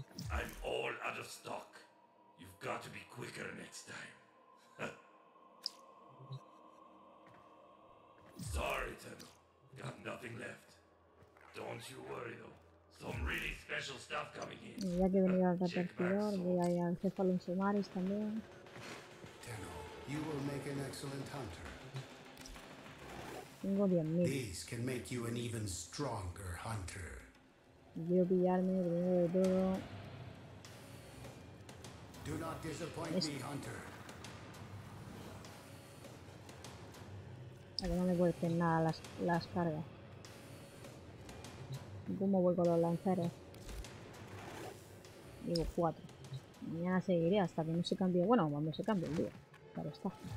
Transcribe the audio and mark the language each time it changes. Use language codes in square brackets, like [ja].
[en] I'm all out of stock. You've got to be quicker next time. Sorry, Tenno. Got nothing left. Don't you worry, though. Some really special stuff coming in. [es] Ya que venía al repartidor, voy a ir al jefe de los sumarios también. [en] Tenno, you will make an excellent hunter. [es] Tengo 10.000. [en] These can make you an even stronger hunter. [es] Voy a pillarme primero de todo. [en] Do not disappoint me, hunter. [es] A que no me vuelquen nada las cargas. ¿Cómo vuelco los lanceros? Digo, 4. Mañana seguiré hasta que no se cambie. Bueno, cuando se cambie el día. Claro está.